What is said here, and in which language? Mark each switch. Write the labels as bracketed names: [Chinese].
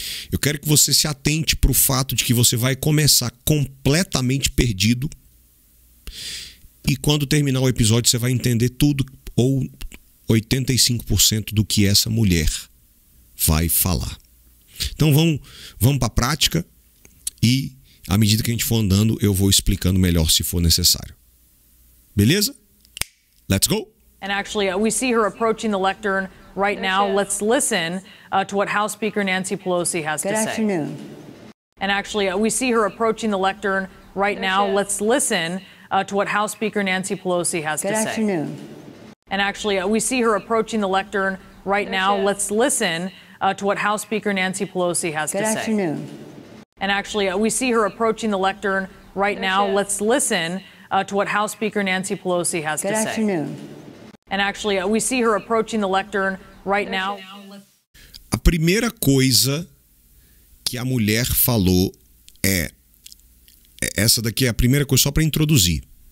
[Portuguese] Eu quero que você se atente para o fato de que você vai começar completamente perdido e, quando terminar o episódio, você vai entender tudo ou 85% do que essa mulher vai falar. Então vamos para a prática e, à medida que a gente for andando, eu vou explicando melhor se for necessário. [English] Beleza? Let's go. And actually, we see her approaching the lectern right now. Let's listen to what House Speaker Nancy Pelosi has to say. Good afternoon. And actually, we see her approaching the lectern right now. Let's listen to what House Speaker Nancy Pelosi has to say. Good afternoon. And actually, we see her approaching the lectern right now. Let's listen to what House Speaker Nancy Pelosi has to say. Good afternoon. And actually, we see her approaching the lectern right now. Let's listen to what House Speaker Nancy Pelosi has to say. Good afternoon. And actually, we see her approaching the lectern right now. [Portuguese] A primeira coisa que a mulher falou é... essa daqui é a primeira coisa, só para introduzir.